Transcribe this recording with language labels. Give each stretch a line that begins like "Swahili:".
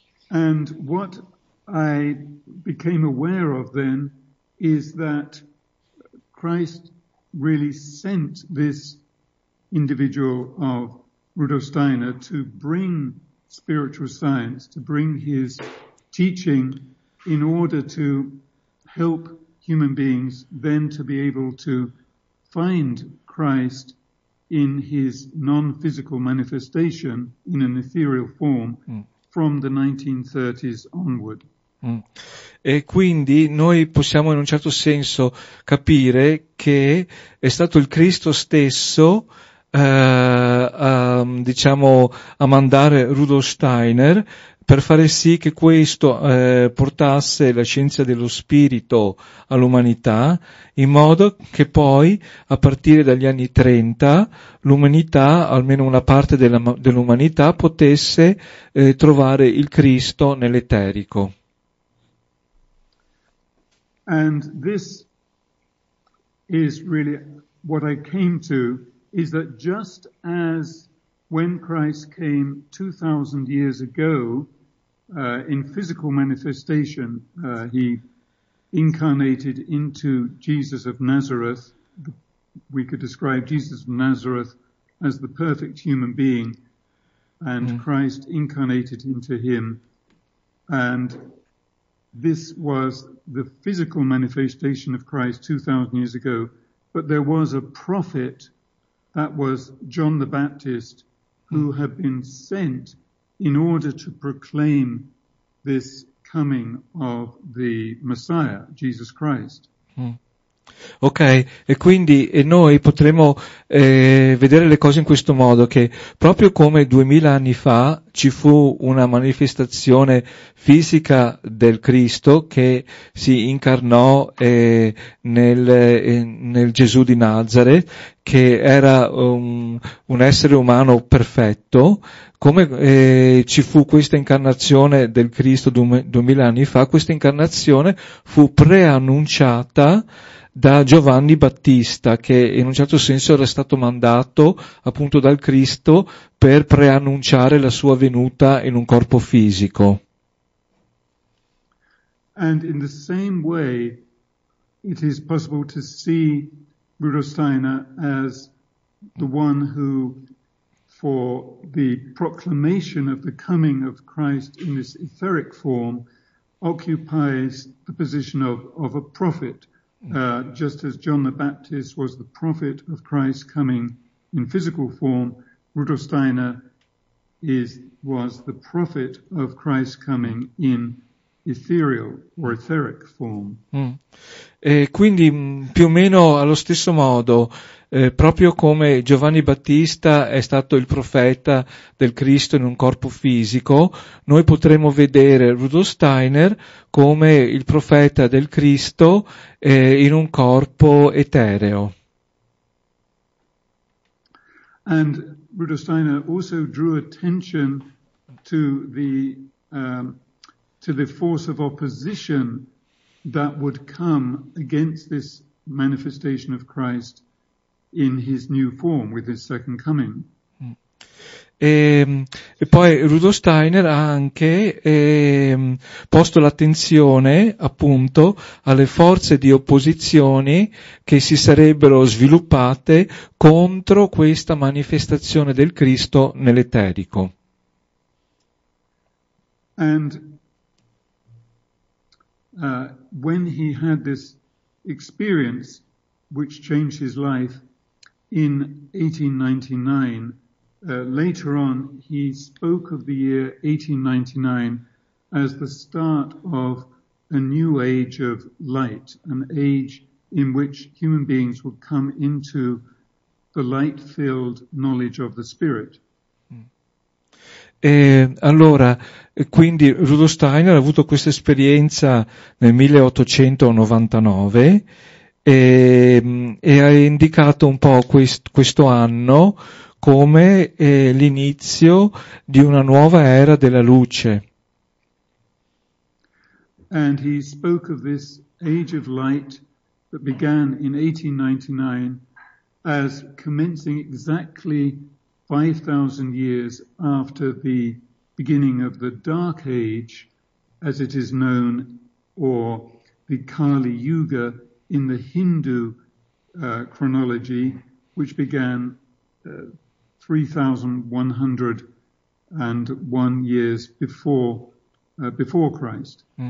English: And what I became aware of then is that Christ really sent this individual of Rudolf Steiner to bring spiritual science, to bring his teaching in order to help human beings then to be able to find Christ in his non-physical manifestation in an ethereal form from the 1930s onward. Mm.
Italian: E quindi noi possiamo in un certo senso capire che è stato il Cristo stesso a mandare Rudolf Steiner per fare sì che questo portasse la scienza dello spirito all'umanità, in modo che poi a partire dagli anni 30 l'umanità, almeno una parte dell'umanità, potesse trovare il Cristo nell'eterico.
English: And this is really what I came to is that just as when Christ came 2,000 years ago, in physical manifestation, he incarnated into Jesus of Nazareth. We could describe Jesus of Nazareth as the perfect human being, and Christ incarnated into him. And this was the physical manifestation of Christ 2,000 years ago. But there was a prophet, that was John the Baptist, who had been sent in order to proclaim this coming of the Messiah, Jesus Christ.
Italian: Ok, e quindi e noi potremo vedere le cose in questo modo, che proprio come 2000 anni fa ci fu una manifestazione fisica del Cristo che si incarnò nel Gesù di Nazareth, che era un essere umano perfetto, come ci fu questa incarnazione del Cristo 2000 anni fa, questa incarnazione fu preannunciata da Giovanni Battista, che in un certo senso era stato mandato appunto dal Cristo per preannunciare la sua venuta in un corpo fisico.
English: And in the same way it is possible to see Rudolf Steiner as the one who for the proclamation of the coming of Christ in this etheric form occupies the position of a prophet. Just as John the Baptist was the prophet of Christ coming in physical form, Rudolf Steiner was the prophet of Christ coming in ethereal or etheric form.
Italian: E quindi più o meno allo stesso modo, proprio come Giovanni Battista è stato il profeta del Cristo in un corpo fisico, noi potremmo vedere Rudolf Steiner come il profeta del Cristo in un corpo etereo.
English: And Rudolf Steiner also drew attention to the to the force of opposition that would come against this manifestation of Christ in his new form with his second coming.
Italian: E poi Rudolf Steiner ha anche posto l'attenzione appunto alle forze di opposizione che si sarebbero sviluppate contro questa manifestazione del Cristo nell'eterico.
English: And when he had this experience which changed his life in 1899, later on he spoke of the year 1899 as the start of a new age of light, an age in which human beings would come into the light-filled knowledge of the Spirit.
Italian: E allora, quindi Rudolf Steiner ha avuto questa esperienza nel 1899 e ha indicato un po' questo anno come l'inizio di una nuova era della luce.
English: And he spoke of this age of light that began in 1899 as commencing exactly 5,000 years after the beginning of the Dark Age, as it is known, or the Kali Yuga in the Hindu chronology, which began 3,101 years before Christ.